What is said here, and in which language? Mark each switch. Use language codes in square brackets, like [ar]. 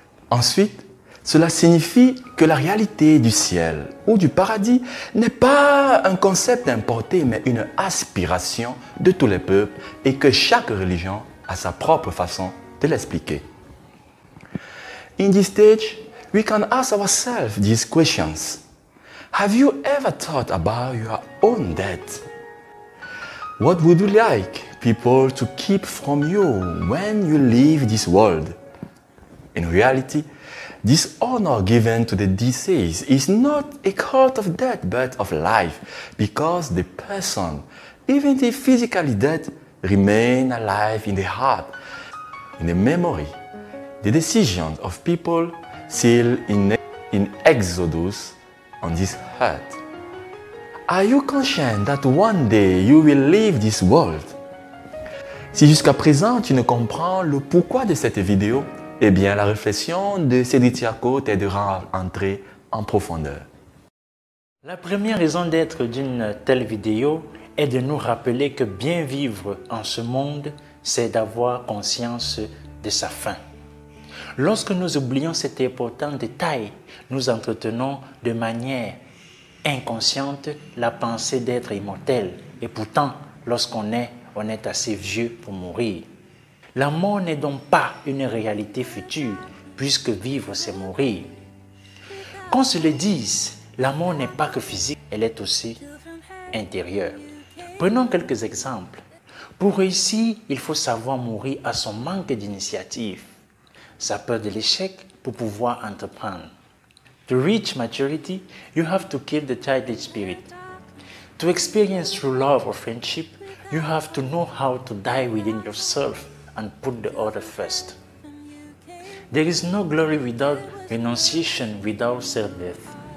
[fr] Ensuite, cela signifie que la réalité du ciel ou du paradis n'est pas un concept importé, mais une aspiration de tous les peuples et que chaque religion a sa propre façon de l'expliquer. [en] In this stage, we can ask ourselves these questions. Have you ever thought about your own death? What would you like people to keep from you when you leave this world? In reality, this honor given to the deceased is not a cult of death but of life, because the person, even if physically dead, remains alive in the heart, in the memory. The decision of people sealed in Exodus on this earth. Are you conscient that one day you will leave this world? [fr] Si jusqu'à présent tu ne comprends le pourquoi de cette vidéo, eh bien, la réflexion de Cédric Thiaco t'aidera à entrer en profondeur. La première raison d'être d'une telle vidéo est de nous rappeler que bien vivre en ce monde, c'est d'avoir conscience de sa fin. Lorsque nous oublions cet important détail, nous entretenons de manière inconsciente la pensée d'être immortel. Et pourtant, lorsqu'on est, on est assez vieux pour mourir. La mort n'est donc pas une réalité future, puisque vivre, c'est mourir. Qu'on se le dise, la mort n'est pas que physique, elle est aussi intérieure. Prenons quelques exemples. Pour réussir, il faut savoir mourir à son manque d'initiative, sa peur de l'échec pour pouvoir entreprendre. [en] To reach maturity, you have to kill the childish spirit. To experience true love or friendship, you have to know how to die within yourself and put the other first. There is no glory without renunciation, without self-death.